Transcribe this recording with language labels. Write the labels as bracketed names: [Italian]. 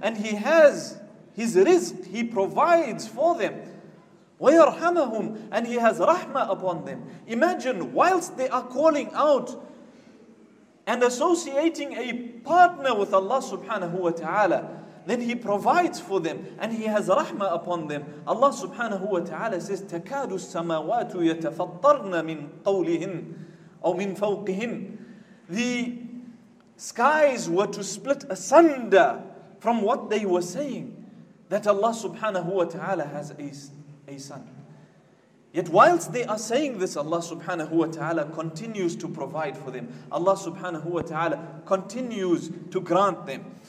[English] And he has his rizq, he provides for them. [Arabic] وَيَرْحَمَهُمْ. [English] And he has rahmah upon them. Imagine, whilst they are calling out and associating a partner with Allah subhanahu wa ta'ala, then he provides for them and he has rahmah upon them. Allah subhanahu wa ta'ala says, [Arabic] تَكَادُ السَّمَاوَاتُ يَتَفَطَّرْنَ مِنْ قَوْلِهِمْ أَوْ مِنْ فَوْقِهِمْ. [English] The skies were to split asunder from what they were saying, that Allah subhanahu wa ta'ala has a son. Yet whilst they are saying this, Allah subhanahu wa ta'ala continues to provide for them. Allah subhanahu wa ta'ala continues to grant them.